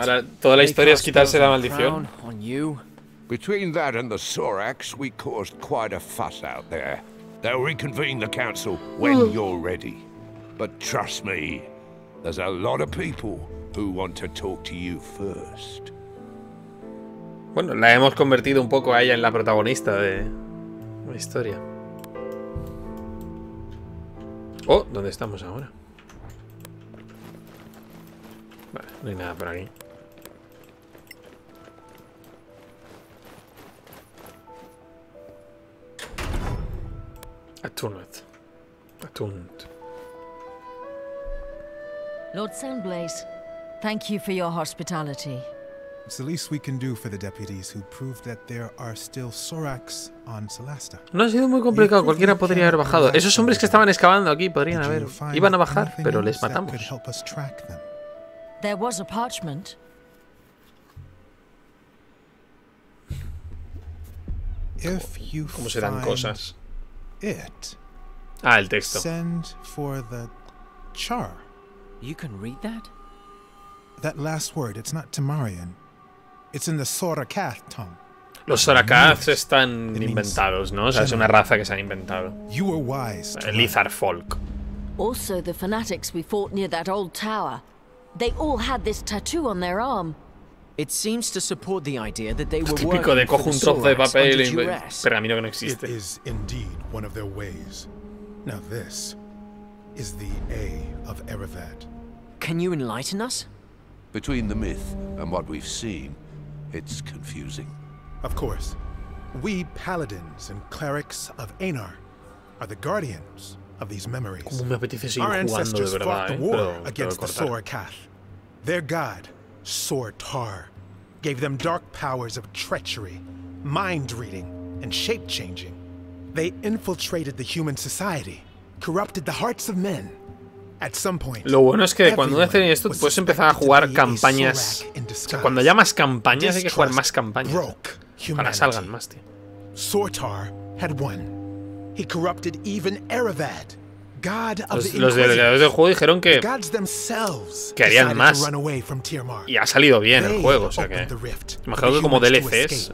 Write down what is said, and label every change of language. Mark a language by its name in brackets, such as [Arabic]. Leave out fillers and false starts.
[Spanish] Ahora, toda la historia es quitarse la maldición. [English] On you. Between that and the Sorax, we caused quite a fuss out there. They'll reconvene the council when you're ready. But trust me, there's a lot of people who want to talk to you first. [Spanish] Bueno, la hemos convertido un poco a ella en la protagonista de la historia. Oh, ¿dónde estamos ahora? Vale, no hay nada por aquí. [English] Attuned. Lord Sunblaze, thank you for your hospitality. It's the least we can do for the deputies who proved that there are still Soraks on Celasta. [Spanish] No ha sido muy complicado. Cualquiera podría haber bajado. Esos hombres que estaban excavando aquí podrían haber... Iban a bajar, pero les matamos. [English] There was a parchment. If you [Spanish] ¿cómo se dan cosas? [English] It, [Spanish] ah, el texto. [English] Send for the char. You can read that? That last word, it's not Temarian. It's in the Sorakath tongue. [Spanish] Los Sorakaths están inventados, ¿no? O sea, es una raza que se han inventado. [English] You were wise. Lizard folk. Also, the fanatics we fought near that old tower. They all had this tattoo on their arm. It seems to support the idea that they were working under duress. [Spanish] Típico de cojo un trozo de papel y pergamino que no existe. [English] It is indeed one of their ways. Now this is the A of Erevad. Can you enlighten us? Between the myth and what we've seen, it's confusing. Of course. We paladins and clerics of Aenar are the guardians of these memories. [Spanish] ¿Cómo me apetece seguir jugando, [English] our ancestors [Spanish] de verdad, [English] fought the war [Spanish] pero, [English] against the Sorakath. Their god, Sor-Tar, gave them dark powers of treachery, mind-reading, and shape-changing. They infiltrated the human society, corrupted the hearts of men. At some point, [Spanish] lo bueno es que cuando hacen esto puedes empezar a jugar campañas. O sea, cuando haya más campañas hay que jugar más campañas para salgan más, tío. [English] Sor-Tar had won. He corrupted even Erevad. [Spanish] Los desarrolladores del juego dijeron que querían más y ha salido bien el juego, o sea que imagino que como DLCs.